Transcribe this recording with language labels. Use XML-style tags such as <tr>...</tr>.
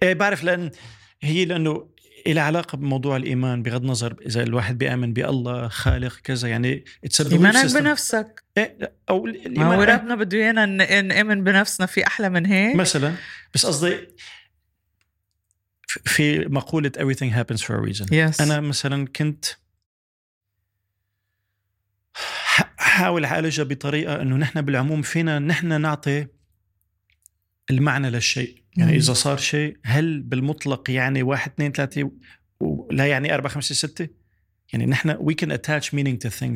<ar>بعرف، لأن هي لأنه إلى علاقة بموضوع الإيمان، بغض النظر إذا الواحد بيأمن بالله خالق كذا، يعني إيمانك بنفسك. أو ما هو ربنا بدو ينا نؤمن بنفسنا في أحلى من هيك مثلا. بس قصدي في مقولة everything happens for a reason.</ar> <en>Yes.</en> <ar>أنا مثلا كنت حاول أعالجها بطريقة أنه نحن بالعموم فينا نحن نعطي المعنى للشيء. يعني إذا صار شيء، هل بالمطلق يعني 1 2 3 ولا يعني 4 5 6؟ يعني نحن we can attach meaning to things.</ar>